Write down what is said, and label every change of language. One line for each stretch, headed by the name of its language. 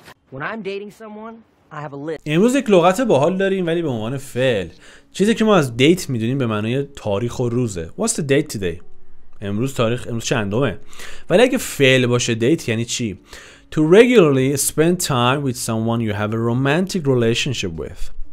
English: When I'm dating someone, I have a list.
Persian: امروز یک لغت باحال داریم ولی به عنوان فعل. چیزی که ما از دیت میدونیم به معنای تاریخ و روزه.
English: What's the date today?
Persian: امروز تاریخ امروز چندمه؟ ولی اگه فعل باشه دیت یعنی چی؟
English: To regularly spend time with someone you have a romantic relationship with.